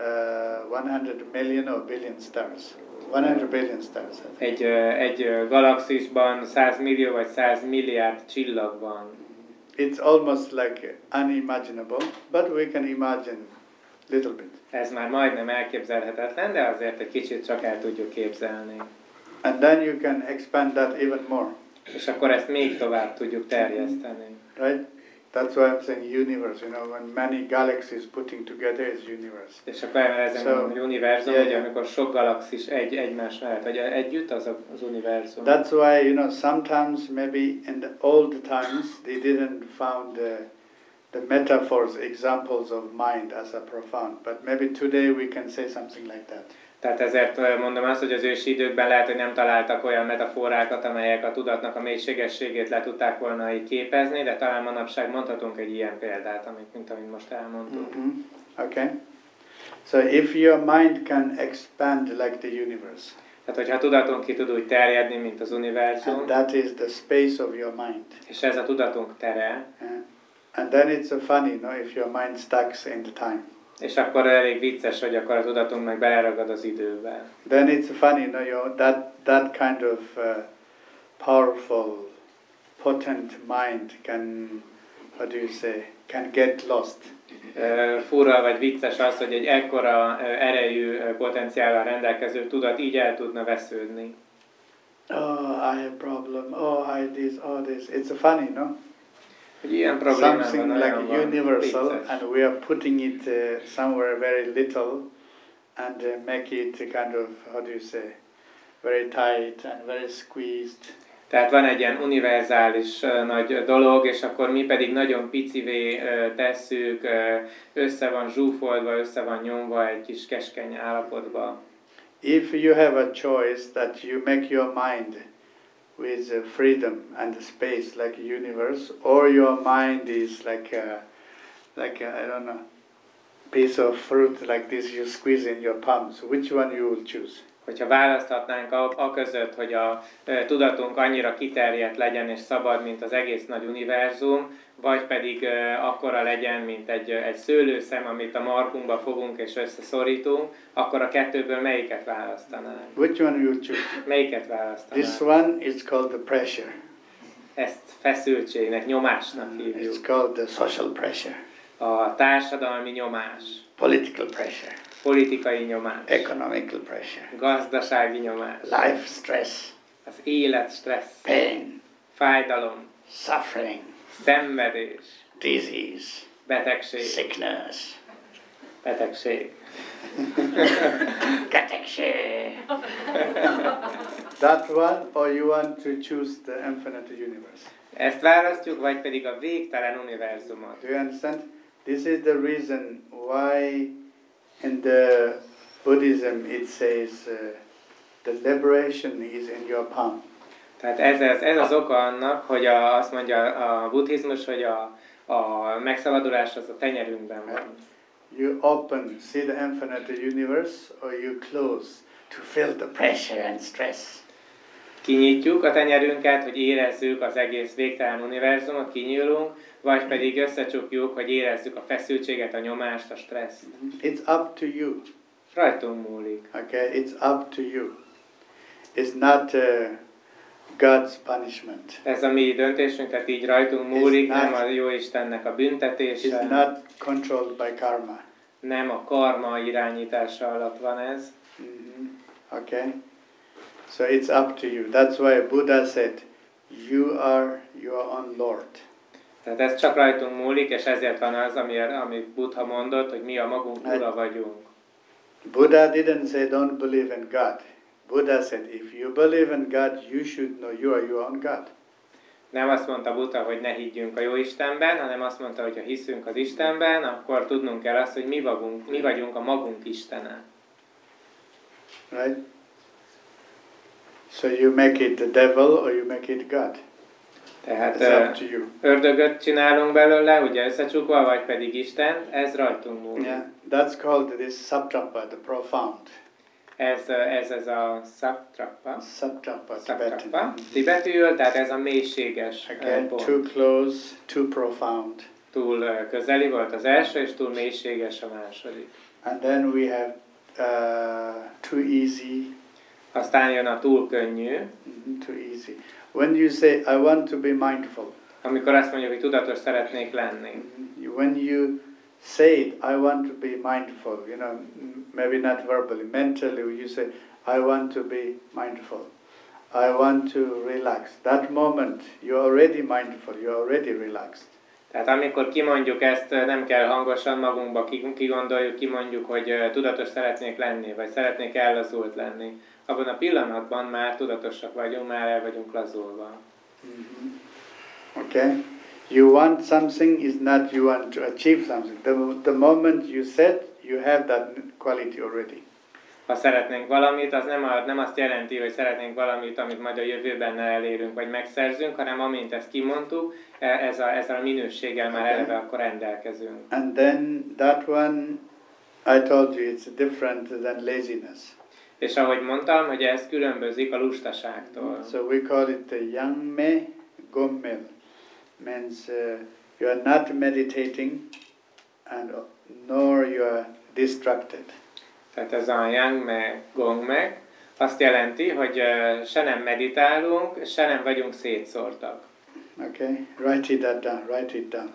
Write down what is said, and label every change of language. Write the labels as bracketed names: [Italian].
[English] 100 million or billion stars. 100 billion stars. [Hungarian] Egy galaxisban 100 millió vagy 100 milliárd csillag van. [English] It's almost like unimaginable, but we can imagine little bit. [Hungarian] Ez már majdnem elképzelhetetlen, de azért egy kicsit csak el tudjuk képzelni. [English] And then you can expand that even more. [Hungarian] És akkor ezt még tovább tudjuk terjeszteni. [English] Right? That's why I'm saying universe, you know, when many galaxies putting together is universe. [Hungarian] És akkor elmerezem, hogy univerzum, hogy amikor sok galaxis egymás mellett, vagy együtt az az univerzum. [English] That's why, you know, sometimes maybe in the old times they didn't found the metaphors, examples of mind as a profound, but maybe today we can say something like that. [Hungarian] Tehát ezért mondom azt, hogy az ősi időkben lehet, hogy nem találtak olyan metaforákat, amelyek a tudatnak a mélységességét le tudták volna így képezni, de talán manapság mondhatunk egy ilyen példát, amit most elmondtunk. [English] Mm-hmm. Okay. So if your mind can expand like the universe. [Hungarian] Tehát hogyha a tudatunk ki tud úgy terjedni, mint az univerzum. [English] And that is the space of your mind. [Hungarian] És ez a tudatunk tere. [English] And then it's a funny, no, if your mind stucks in the time. [Hungarian] És akkor elég vicces, hogy akkor a tudatunk meg beleragad az időbe. [English] Then it's funny, no, you know, that kind of powerful, potent mind can, how do you say, can get lost. [Hungarian] Fura vagy vicces az, hogy egy ekkora erejű potenciállal rendelkező tudat így el tudna vesződni. [English] Oh, I have problem. Oh, I this, all this. It's funny, no? Something like universal, and we are putting it somewhere very little, and make it kind of, how do you say, very tight and very squeezed. [Hungarian] Tehát van egy ilyen univerzális nagy dolog, és akkor mi pedig nagyon picivé tesszük, össze van zsúfoltva, össze van nyomva egy kis keskeny állapotba. [English] If you have a choice that you make your mind with freedom and space like universe, or your mind is like a, I don't know, piece of fruit like this you squeeze in your palms, which one you will choose? [Hungarian] Hogyha választhatnánk a között, hogy a tudatunk annyira kiterjedt legyen és szabad, mint az egész nagy univerzum, vagy pedig akkora legyen, mint egy szőlőszem, amit a markunkba fogunk és összeszorítunk, akkor a kettőből melyiket választanánk? [English] Which one you choose? [Hungarian] Melyiket választanánk? [English] This one is called the pressure. [Hungarian] Ezt feszültségnek, nyomásnak hívjuk. [English] It's called the social pressure. [Hungarian] A társadalmi nyomás. [English] Political pressure. [Hungarian] Politikai nyomás. [English] Economical pressure. [Hungarian] Gazdasági nyomás. [English] Life stress. [Hungarian] Az élet stressz. [English] Pain. [Hungarian] Fájdalom. [English] Suffering. [Hungarian] Szenvedés. [English] Disease. [Hungarian] Betegség. [English] Sickness. [Hungarian] Betegség. Betegség. [English] That one, or you want to choose the infinite universe? [Hungarian] Ezt választjuk, vagy pedig a végtelen univerzumot. [English] Do you understand? This is the reason why in the Buddhism it says the liberation is in your palm. [Hungarian] Tehát ez az oka annak, hogy azt mondja a buddhizmus, hogy a megszabadulás az a tenyerünkben van. [English] You open, see the infinite universe, or you close to feel the pressure and stress. [Hungarian] Kinyitjuk a tenyerünket, hogy érezzük az egész végtelen univerzumot, kinyílunk, vagy pedig összecsukjuk, hogy érezzük a feszültséget, a nyomást, a stresszt. [English] It's up to you. [Hungarian] Rajtunk múlik. [English] Okay, it's up to you. It's not God's punishment. [Hungarian] Ez a mi döntésünk, tehát így rajtunk múlik, nem a Jóistennek a büntetése. [English] It's not controlled by karma. [Hungarian] Nem a karma irányítása alatt van ez. [English] Mm-hmm. Okay. So it's up to you. That's why Buddha said, you are your own Lord. [Hungarian] Tehát ez csak rajtunk múlik, és ezért van az, amit Buddha mondott, hogy mi a magunk ura vagyunk. [English] Buddha didn't say, don't believe in God. Buddha said, if you believe in God, you should know you are your own God. [Hungarian] Nem azt mondta Buddha, hogy ne higgyünk a jó Istenben, hanem azt mondta, hogy ha hiszünk az Istenben, akkor tudnunk kell azt, hogy mi vagyunk a magunk Istene. [English] Right? So you make it the devil or you make it God. [Hungarian] Tehát [English] it's up to you. [Hungarian] Ördögöt csinálunk belőle, ugye összecsukva, vagy pedig Isten, ez rajtunk múlik. [English] Yeah, that's called this saptrapa, the profound. [Hungarian] Ez a saptrapa. [English] Saptrapa, Tibetan. [Hungarian] Tibetül, tehát ez a mélységes. [English] Again, too close, too profound. [Hungarian] Túl közeli volt az első, és túl mélységes a második. [English] And then we have too easy. [Hungarian] Aztán jön a túl könnyű. [English] Too easy. When you say I want to be mindful. [Hungarian] Amikor azt mondjuk, hogy tudatos szeretnék lenni. [English] When you say it, I want to be mindful. You know, maybe not verbally, mentally. You say I want to be mindful. I want to relax. That moment, you're already mindful. You're already relaxed. [Hungarian] Tehát amikor kimondjuk ezt, nem kell hangosan magunkba kigondoljuk, kimondjuk, hogy tudatos szeretnék lenni, vagy szeretnék ellazult lenni. Abban a pillanatban már tudatosak vagyunk, már el vagyunk lazulva. [English] Mm-hmm. Okay. You want something is not you want to achieve something. The moment you said, you have that quality already. [Hungarian] Ha szeretnénk valamit, az nem azt jelenti, hogy szeretnénk valamit, amit majd a jövőben elérünk, vagy megszerzünk, hanem amint ezt kimondtuk, ezzel a minőséggel már eleve akkor rendelkezünk. [English] And then that one, I told you, it's different than laziness. [Hungarian] És ahogy mondtam, hogy ez különbözik a lustaságtól. [English] So we call it the yang me gong me. Means you are not meditating, and nor you are distracted. [Hungarian] Tehát ez a yang me gong me azt jelenti, hogy se nem meditálunk, se nem vagyunk szétszórtak. [English] Okay, write it down, write it down.